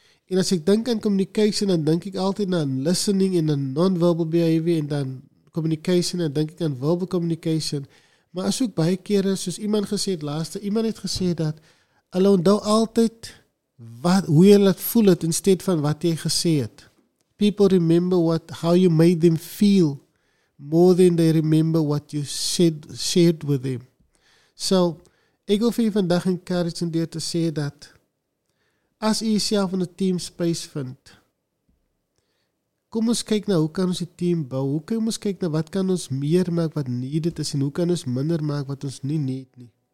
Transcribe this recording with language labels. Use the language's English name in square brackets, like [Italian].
[Afrikaans] En as ek dink aan communication, dan dink ek altyd aan listening en aan non-verbal behavior en dan communication, dan dink ek aan verbal communication. Maar as ook baie kere, soos iemand gesê het laaste, iemand het gesê dat hulle onthou altyd wat, hoe jy laat voel het, instead van wat jy gesê het. [English] People remember what, how you made them feel more than they remember what you said, shared with them. [Afrikaans] So, ek wil vir jy vandag encourage om deur te sê dat as jy jyself in 'n team space vind, kom ons kyk na hoe kan ons die team bou, hoe kan ons kyk na wat kan ons meer maak wat needed is en hoe kan ons minder maak wat ons nie need nie.